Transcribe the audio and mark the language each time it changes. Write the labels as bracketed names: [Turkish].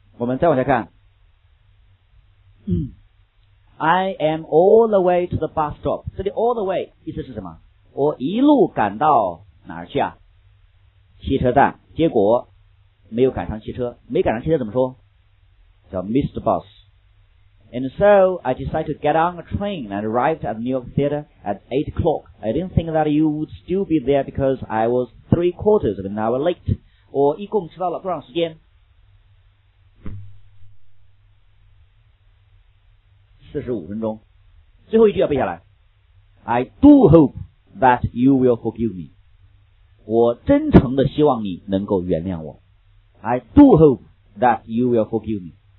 [Chinese] 我们再往下看， [English] I am all the way to the bus stop。 [Chinese] 这里 [English] all the way [Chinese] 意思是什么？我一路赶到哪儿去啊，汽车站，结果没有赶上汽车。没赶上汽车怎么说？叫 missed bus。 [English] And so I decided to get on a train and arrived at the New York Theater at 8 o'clock. I didn't think that you would still be there because I was 3/4 of an hour late. [Chinese] 我一共迟到了多长时间？ 45分钟。最后一句要背下来， [English] I do hope that you will forgive me. [Chinese] 我真诚的希望你能够原谅我。 [English] I do hope that you will forgive me.